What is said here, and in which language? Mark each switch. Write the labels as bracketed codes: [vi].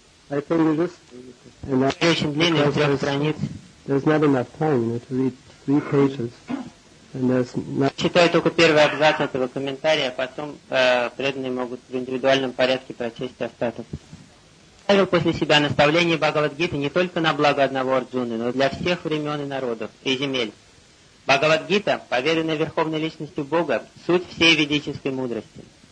[ru] Очень длинный, из трех страниц. [en] There's not enough time, you know, to read three pages, and there's not. [ru] Читаю только первый абзац этого комментария, а потом преданные могут в индивидуальном порядке прочесть остаток. Оставил после себя наставление Бхагавадгиты не только на благо одного Арджуны, но для всех времен и народов и земель. Бхагавадгита, поверенная верховной личностью Бога, суть всей ведической мудрости.